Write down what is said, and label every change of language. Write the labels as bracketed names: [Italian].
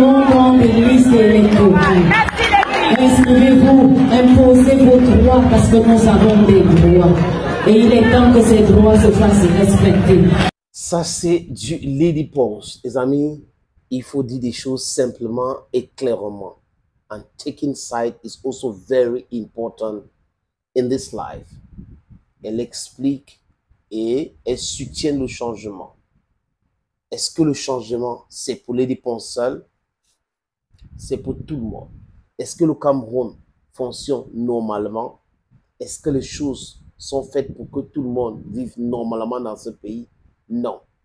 [French] Dans les listes électorales. Inscrivez-vous, imposez vos droits parce que nous avons des droits. Et il est temps que ces droits se fassent respecter. Ça, c'est du Lady Pulse. Les amis, il faut dire des choses simplement et clairement. [English] And taking side is also very important in this life. [French] Elle explique et elle soutient le changement. Est-ce que le changement, c'est pour Lady Pulse seul? C'est pour tout le monde. Est-ce que le Cameroun fonctionne normalement? Est-ce que les choses sont faites pour que tout le monde vive normalement dans ce pays? Non.